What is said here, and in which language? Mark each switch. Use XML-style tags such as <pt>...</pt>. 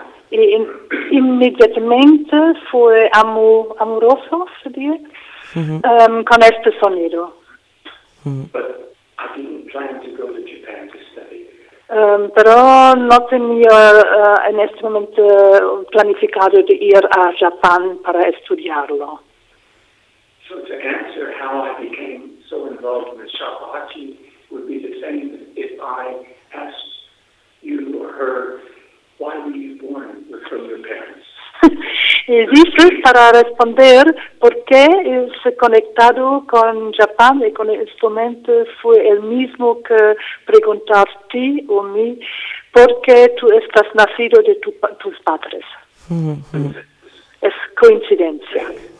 <es>Y inmediatamente fue amoroso, se dice, con este sonido. Pero no tenía en este momento planificado de ir a Japón para estudiarlo.</es> <en>So to answer how I became so involved in the shakuhachi would be the same if I asked you or her, why were you born from your parents?</en> <es>Y dice para responder por qué se conectado con Japón y con el instrumento fue el mismo que preguntar ti o mí por qué tú estás nacido de tus padres. Es coincidencia.</es>